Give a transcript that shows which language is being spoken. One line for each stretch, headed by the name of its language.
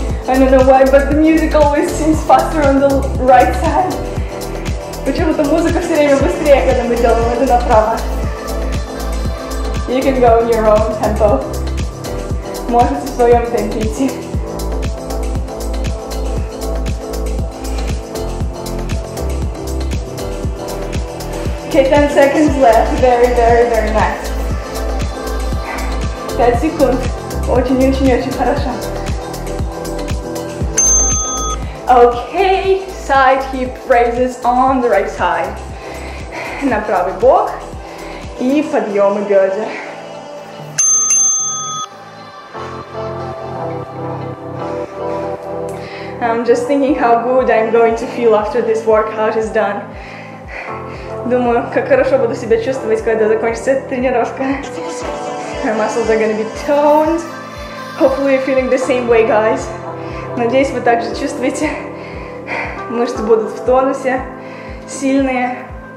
English: I don't know why, but the music always seems faster on the right side.
Russian: Почему-то музыка все время быстрее, когда мы делаем это направо.
English: You can go in your own tempo.
Russian: Можете в своем темпе идти.
English: Okay, 10 seconds left. Very, very, very nice.
Russian: 5 секунд. Очень-очень-очень хорошо.
English: Okay, side hip raises on the right side.
Russian: На правый бок и подъемы бедер.
English: I'm just thinking how good I'm going to feel after this workout is done.
Russian: Думаю, как хорошо буду себя чувствовать, когда закончится тренировка.
English: My muscles are gonna be toned. Hopefully you're feeling the same way, guys.
Russian: Надеюсь, вы также чувствуете. Мышцы будут в тонусе, сильные.